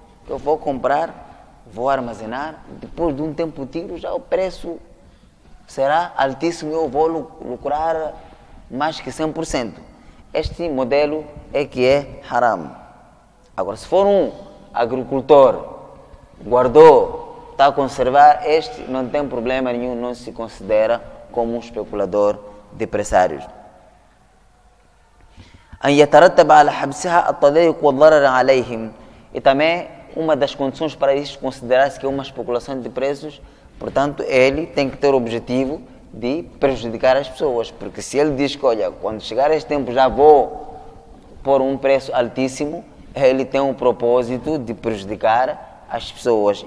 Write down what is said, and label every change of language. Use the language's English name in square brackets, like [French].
[Portuguese] Eu vou comprar, vou armazenar, depois de um tempo tiro, já o preço será altíssimo, eu vou lucrar mais que 100%. Este modelo é que é haram. Agora, se for um agricultor, guardou, está a conservar, este não tem problema nenhum, não se considera como um especulador de presságios. [Arabic] أن يترتب على حبسها التضييق والضرر عليهم. [Portuguese] E também uma das condições para isto considerar-se que é uma especulação de preços, portanto, ele tem que ter o objetivo de prejudicar as pessoas. Porque se ele diz que, olha, quando chegar este tempo já vou pôr um preço altíssimo, ele tem o propósito de prejudicar as pessoas.